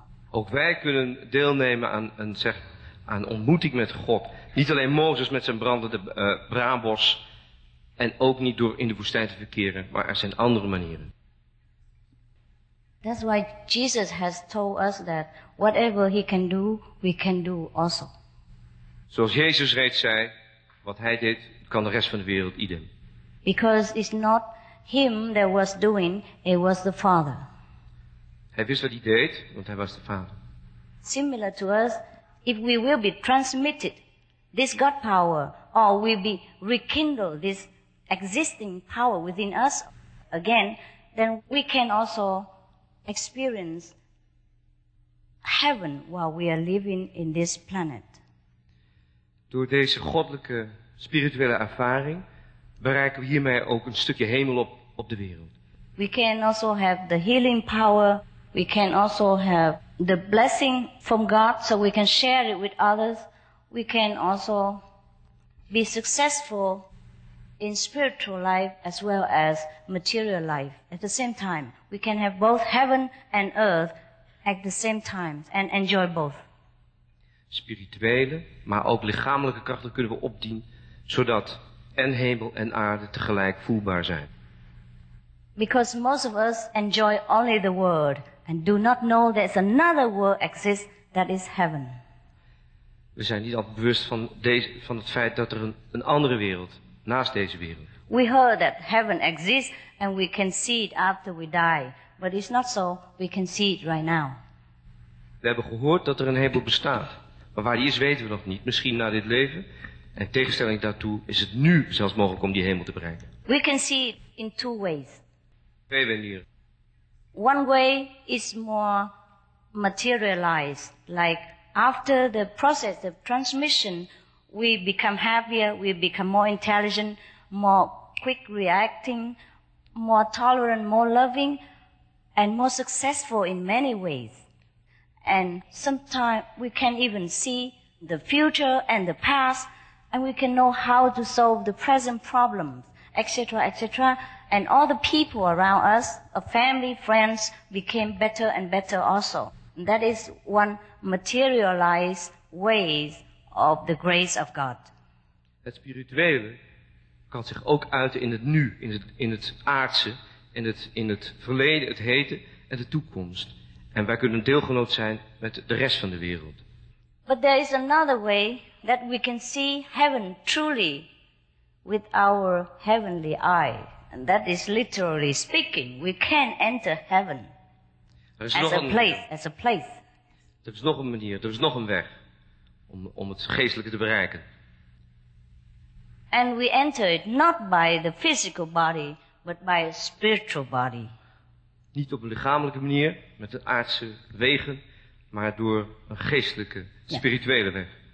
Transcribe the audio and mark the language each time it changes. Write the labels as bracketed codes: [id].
[nl] Ook wij kunnen deelnemen aan ontmoeting met God. Niet alleen Mozes met zijn brandende braambos en ook niet door in de woestijn te verkeren, maar er zijn andere manieren. [en] That's why Jesus has told us that whatever He can do, we can do also. [nl] Zoals Jezus reeds zei, wat Hij deed, kan de rest van de wereld idem. [en] Because it's not Him that was doing, it was the Father. [nl] Hij wist wat Hij deed, want Hij was de Vader. [en] Similar to us, if we will be transmitted this God power, or we'll be rekindled this existing power within us again, then we can also experience heaven while we are living in this planet. [nl] Door deze goddelijke spirituele ervaring bereiken we hiermee ook een stukje hemel op de wereld. [en] We can also have the healing power. We can also have the blessing from God, so we can share it with others. We can also be successful in spiritual life as well as material life at the same time. We can have both heaven and earth at the same time and enjoy both. [nl] Spirituele, maar ook lichamelijke krachten kunnen we opdienen, zodat en hemel en aarde tegelijk voelbaar zijn. [en] Because most of us enjoy only the world and do not know there's another world exists that is heaven. [nl] We zijn niet altijd bewust van het feit dat er een andere wereld naast deze wereld. [en] We heard that heaven exists and we can see it after we die. But it's not so, we can see it right now. [nl] We hebben gehoord dat er een hemel bestaat. Maar waar die is weten we nog niet. Misschien na dit leven. En tegenstelling daartoe is het nu zelfs mogelijk om die hemel te bereiken. [en] We can see it in two ways. [nl] Twee manieren. [en] One way is more materialized. Like after the process of transmission, we become happier, we become more intelligent, more quick reacting, more tolerant, more loving, and more successful in many ways. And sometimes we can even see the future and the past, and we can know how to solve the present problems etc., etc. And all the people around us, a family, friends, became better and better also. And that is one materialized way of the grace of God. [nl] Het spirituele kan zich ook uiten in het nu, in het aardse, in het verleden, het heden en de toekomst. En wij kunnen deelgenoot zijn met de rest van de wereld. [en] But there is another way that we can see heaven truly with our heavenly eye. And that is literally speaking, we can enter heaven as a place. [nl] Er is nog een manier, er is nog een weg om het geestelijke te bereiken. [en] And we enter it not by the physical body, but by a spiritual body. [nl] Niet op een lichamelijke manier, met de aardse wegen, maar door een geestelijke, spirituele weg.